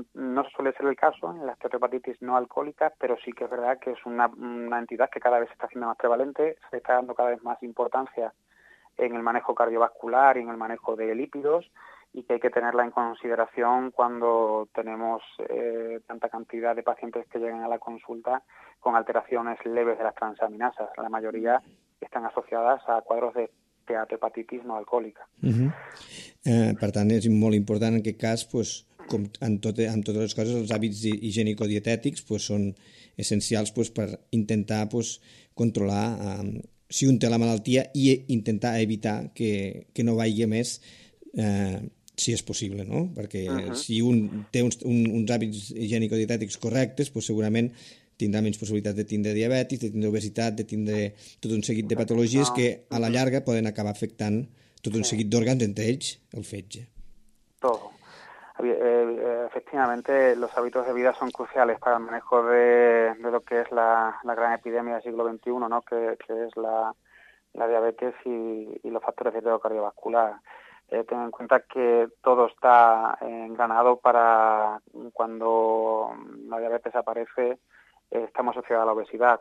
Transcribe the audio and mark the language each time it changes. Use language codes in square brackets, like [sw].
[es] No suele ser el caso en la esteatohepatitis no alcohólica, pero sí que es verdad que es una entidad que cada vez se está haciendo más prevalente, se está dando cada vez más importancia en el manejo cardiovascular y en el manejo de lípidos, y que hay que tenerla en consideración cuando tenemos tanta cantidad de pacientes que llegan a la consulta con alteraciones leves de las transaminasas. La mayoría están asociadas a cuadros de esteatohepatitis no alcohólica. [ca] Per tant, és molt important en aquest cas, pues, com en totes les coses, els hàbits higiènico-dietètics pues, són essencials pues, per intentar pues, controlar si un té la malaltia i intentar evitar que no vagi més si és possible, no? Perquè si un té uns hàbits higiènico-dietètics correctes, pues segurament tindrà menys possibilitats de tindre diabetis, de tindre obesitat, de tindre tot un seguit de patologies que a la llarga poden acabar afectant tot un seguit d'òrgans, entre ells el fetge. [es] Todo. Efectivamente, los hábitos de vida son cruciales para el manejo de lo que es la gran epidemia del siglo XXI, ¿no? Que es la la diabetes y los factores de riesgo cardiovascular. Ten en cuenta que todo está engranado para cuando la diabetes aparece, estamos asociados a la obesidad.